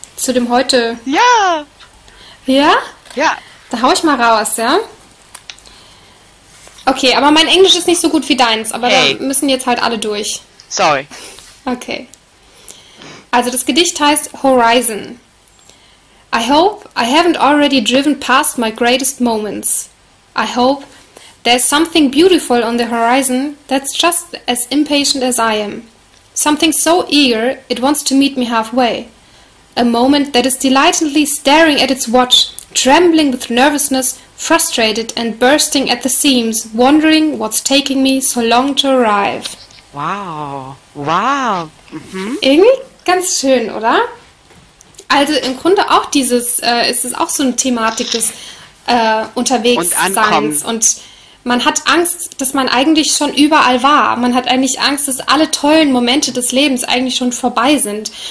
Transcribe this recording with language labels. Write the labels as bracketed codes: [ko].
[de] zu dem heute... Ja! Ja? Ja. Da hau ich mal raus, ja? Okay, aber mein Englisch ist nicht so gut wie deins. Aber da müssen jetzt halt alle durch. Sorry. Okay. Also das Gedicht heißt Horizon. [en] I hope I haven't already driven past my greatest moments. I hope... There's something beautiful on the horizon that's just as impatient as I am. Something so eager it wants to meet me halfway. A moment that is delightedly staring at its watch, trembling with nervousness, frustrated and bursting at the seams, wondering what's taking me so long to arrive. Wow. Mhm. [de] Irgendwie ganz schön, oder? Also im Grunde auch dieses, ist es auch so eine Thematik des Unterwegsseins und man hat Angst, dass man eigentlich schon überall war. Man hat eigentlich Angst, dass alle tollen Momente des Lebens eigentlich schon vorbei sind.